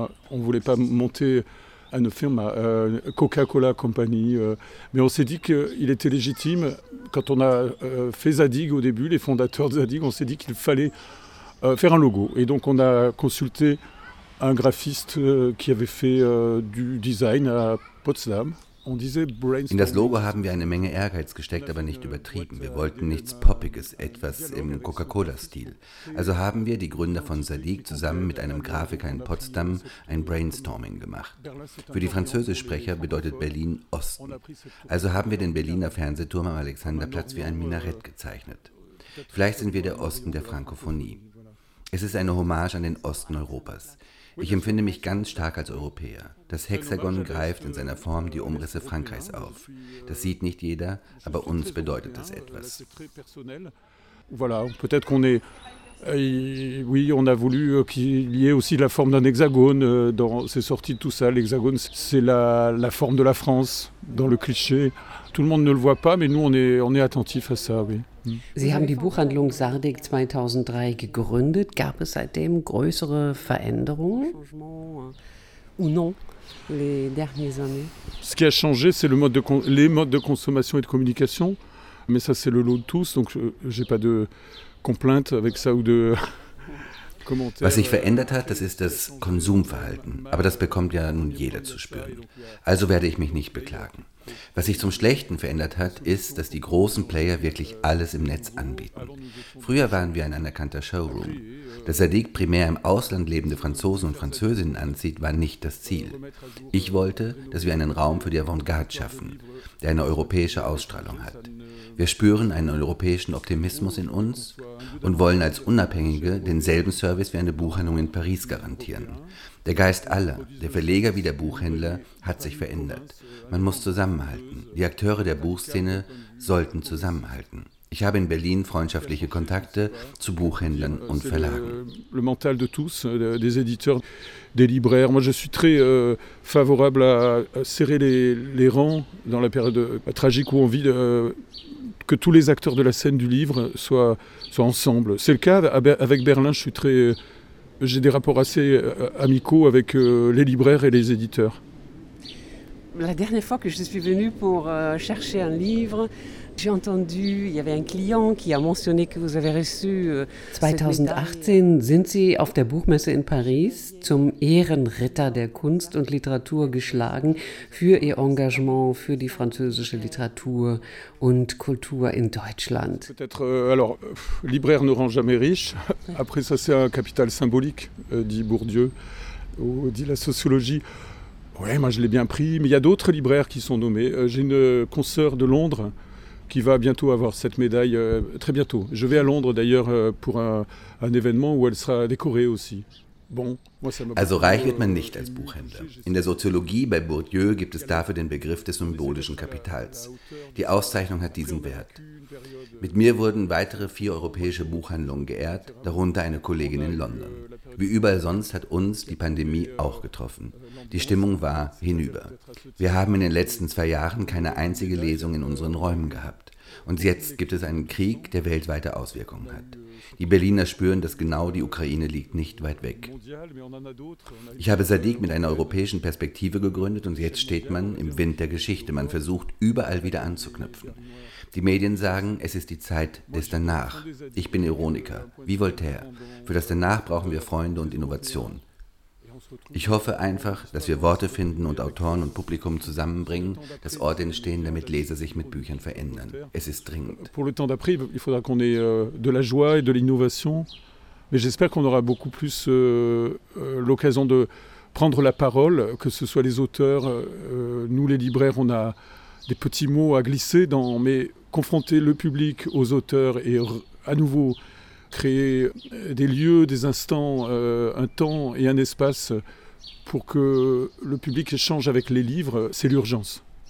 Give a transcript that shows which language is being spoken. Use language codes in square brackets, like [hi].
[fr] On voulait pas monter à une firme, Coca-Cola Company. Mais on s'est dit qu'il était légitime, quand on a fait Zadig au début, les fondateurs de Zadig, on s'est dit qu'il fallait faire un logo. Et donc on a consulté un graphiste qui avait fait du design à Potsdam. [de] In das Logo haben wir eine Menge Ehrgeiz gesteckt, aber nicht übertrieben. Wir wollten nichts Poppiges, etwas im Coca-Cola-Stil. Also haben wir, die Gründer von Sadik, zusammen mit einem Grafiker in Potsdam ein Brainstorming gemacht. Für die Französischsprecher bedeutet Berlin Osten. Also haben wir den Berliner Fernsehturm am Alexanderplatz wie ein Minarett gezeichnet. Vielleicht sind wir der Osten der Frankophonie. Es ist eine Hommage an den Osten Europas. Ich empfinde mich ganz stark als Europäer. Das Hexagon greift in seiner Form die Umrisse Frankreichs auf. Das sieht nicht jeder, aber uns bedeutet das etwas. [fr] Voilà, peut-être qu'on est oui, on a voulu qu'il y ait aussi la forme d'un hexagone dans c'est sorti de tout ça, l'hexagone c'est la forme de la France dans le cliché. Tout le monde ne le voit pas, mais nous on est attentif à ça, oui. [de] Sie haben die Buchhandlung Sardik 2003 gegründet. Gab es seitdem größere Veränderungen? [fr] Ou non, les dernières années? Ce qui a changé, c'est les modes de consommation et de communication. Mais ça, c'est le lot de tous. Donc, j'ai pas de complainte avec ça ou de [de] Was sich verändert hat, das ist das Konsumverhalten. Aber das bekommt ja nun jeder zu spüren. Also werde ich mich nicht beklagen. Was sich zum Schlechten verändert hat, ist, dass die großen Player wirklich alles im Netz anbieten. Früher waren wir ein anerkannter Showroom. Dass Sadik primär im Ausland lebende Franzosen und Französinnen anzieht, war nicht das Ziel. Ich wollte, dass wir einen Raum für die Avantgarde schaffen, der eine europäische Ausstrahlung hat. Wir spüren einen europäischen Optimismus in uns und wollen als Unabhängige denselben Service wie eine Buchhandlung in Paris garantieren. Der Geist aller, der Verleger wie der Buchhändler, hat sich verändert. Man muss zusammenhalten. Die Akteure der Buchszene sollten zusammenhalten. Ich habe in Berlin freundschaftliche Kontakte zu Buchhändlern und Verlagen. [fr] Le mental de tous, des éditeurs, des libraires. Moi, je suis très favorable à serrer les rangs dans la période tragique où on vit. Que tous les acteurs de la scène du livre soient ensemble. C'est le cas avec Berlin. J'ai des rapports assez amicaux avec les libraires et les éditeurs. La dernière fois que je suis venue pour chercher un livre, j'ai entendu, il y avait un client qui a mentionné que vous avez reçu [de] 2018 sind Sie auf der Buchmesse in Paris zum Ehrenritter der Kunst und Literatur geschlagen für Ihr Engagement für die französische Literatur und Kultur in Deutschland. [fr] Peut-être, alors, libraire ne rend jamais riche. Après ça, c'est un capital symbolique, dit Bourdieu, ou dit la sociologie. Oui, moi je l'ai bien pris, mais il y a d'autres libraires qui sont nommés. J'ai une consoeur de Londres qui va bientôt avoir cette médaille, très bientôt. Je vais à Londres d'ailleurs pour un événement où elle sera décorée aussi. Bon, moi ça m'a... [de] Also reich wird man nicht als Buchhändler. In der Soziologie bei Bourdieu gibt es dafür den Begriff des symbolischen Kapitals. Die Auszeichnung hat diesen Wert. Mit mir wurden weitere 4 europäische Buchhandlungen geehrt, darunter eine Kollegin in London. Wie überall sonst hat uns die Pandemie auch getroffen. Die Stimmung war hinüber. Wir haben in den letzten 2 Jahren keine einzige Lesung in unseren Räumen gehabt. Und jetzt gibt es einen Krieg, der weltweite Auswirkungen hat. Die Berliner spüren, dass genau die Ukraine liegt nicht weit weg. Ich habe Sadiq mit einer europäischen Perspektive gegründet und jetzt steht man im Wind der Geschichte. Man versucht, überall wieder anzuknüpfen. Die Medien sagen, es ist die Zeit des Danach. Ich bin Ironiker, wie Voltaire. Für das Danach brauchen wir Freunde und Innovation. Ich hoffe einfach, dass wir Worte finden und Autoren und Publikum zusammenbringen, dass Orte entstehen, damit Leser sich mit Büchern verändern. Es ist dringend. [fr] Pour le temps d'après, il faudra qu'on ait de la joie et de l'innovation. Mais j'espère qu'on aura beaucoup plus l'occasion de prendre la parole, que ce soit les auteurs, nous les libraires, on a des petits mots à glisser dans, mais confronter le public aux auteurs et à nouveau créer des lieux, des instants, un temps et un espace pour que le public échange avec les livres, c'est l'urgence.